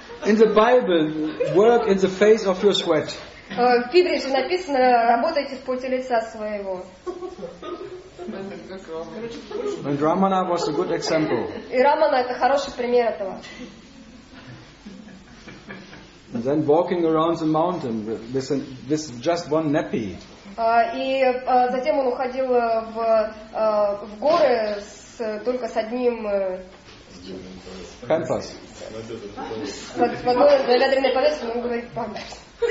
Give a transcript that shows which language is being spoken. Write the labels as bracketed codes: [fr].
[en] In the Bible, work in the face of your sweat. [ru] В Библии же написано, работайте в поте лица своего. [en] And Ramana was a good example. [ru] И Рамана это хороший пример этого. [en] And then walking around the mountain with just one nappy. [ru] Затем он уходил в горы с только с одним памперс. В одной набедренной повязке, но он говорит памперс.